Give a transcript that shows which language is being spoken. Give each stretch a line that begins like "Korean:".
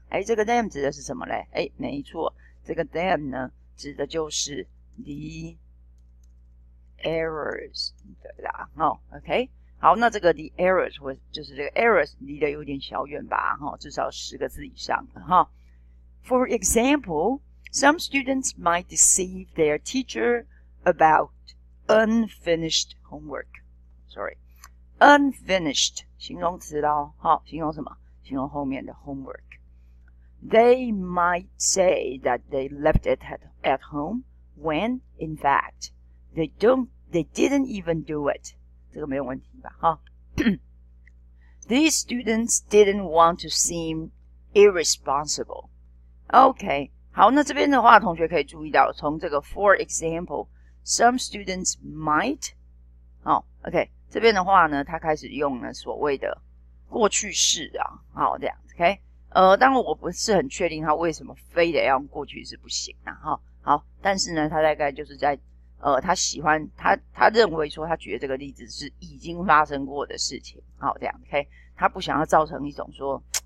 Chinese: 哎，这个 them 指的是什么嘞？哎，没错，这个 them 呢指的就是
English: the errors
Chinese: 的啦。哦 ，OK， 好，那这个
English: the errors
Chinese: 或就是这个 errors 离得有点小远吧？哈、哦，至少十个字以上的哈。
English: For example, some students might deceive their teacher. About unfinished homework. Sorry.
Chinese: Unfinished, 形容词咯、哦、形容什么形容后面的 homework.
English: They might say that they left it at home when, in fact, they didn't even do it.
Chinese: 这个没有问题吧、哦、
English: These students didn't want to seem irresponsible. Okay.
Chinese: 好那这边的话同学可以注意到从这个
English: for example,Some students might,
Chinese: 好、哦、,OK, 这边的话呢他开始用呢所谓的过去式啊好这样 ,OK, 当然我不是很确定他为什么非得要用过去式不行啊、哦、好但是呢他大概就是在他喜欢他认为说他觉得这个例子是已经发生过的事情好这样 ,OK, 他不想要造成一种说